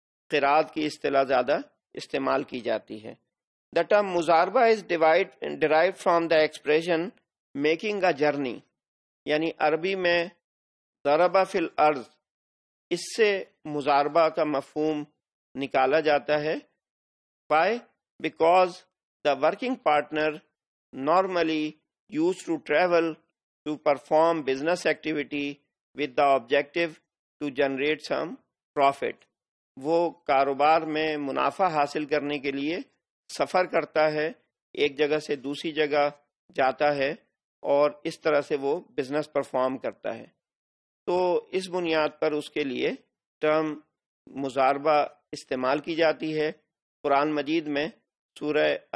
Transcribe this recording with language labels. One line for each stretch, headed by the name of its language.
Urdu: قراد کی اصطلاح زیادہ استعمال کی جاتی ہے
English: The term مزاربہ is derived from the expression making a journey
Urdu: یعنی عربی میں ضربہ فی الارض اس سے مزاربہ کا مفہوم نکالا جاتا ہے
English: Why? Because the working partner normally used to travel to perform business activity with the objective to generate some profit.
Urdu: وہ کاروبار میں منافع حاصل کرنے کے لیے سفر کرتا ہے ایک جگہ سے دوسری جگہ جاتا ہے اور اس طرح سے وہ
English: business perform
Urdu: کرتا ہے تو اس بنیاد پر اس کے لیے term مزاربہ استعمال کی جاتی ہے قرآن مجید میں سورہ